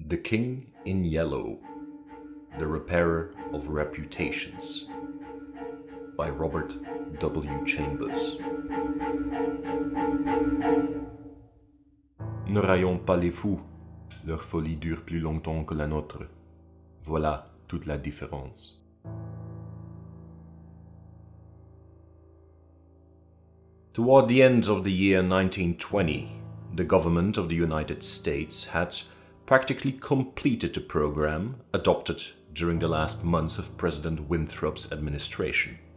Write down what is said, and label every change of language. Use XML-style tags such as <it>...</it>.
<en>The King in Yellow, The Repairer of Reputations, by Robert W. Chambers.</en> <fr>Ne raillons pas les fous, leur folie dure plus longtemps que la nôtre. Voilà toute la différence.</fr> <en>Toward the end of the year 1920, the government of the United States had practically completed the program adopted during the last months of President Winthrop's administration.</en>